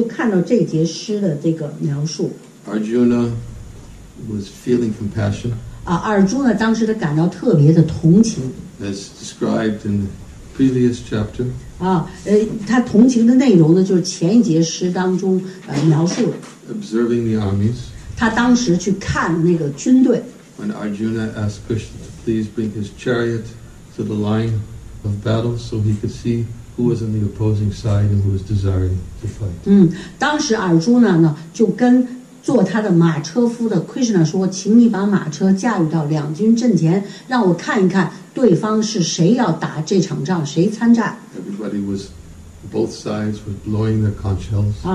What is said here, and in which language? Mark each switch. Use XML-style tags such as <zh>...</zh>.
<zh>所以呢，我们就看到这节诗的这个描述。</zh> <en>Arjuna was feeling compassion.</en> <zh>阿尔朱呢，当时的感到特别的同情。</zh> <en>As described in the previous chapter.</en> <zh>他同情的内容呢，就是前一节诗当中描述的。</zh> <en>Observing the armies.</en> <zh>他当时去看那个军队。</zh> <en>When Arjuna asked Krishna to please bring his chariot to the line of battle so he could see who was on the opposing side and who was desiring to fight.</en> <zh>当时阿尔朱呢就跟坐他的马车夫的 Krishna 说，请你把马车驾驭到两军阵前，让我看一看对方是谁要打这场仗，谁参战。</zh> <en>Everybody was, both sides were blowing their conch shells.</en>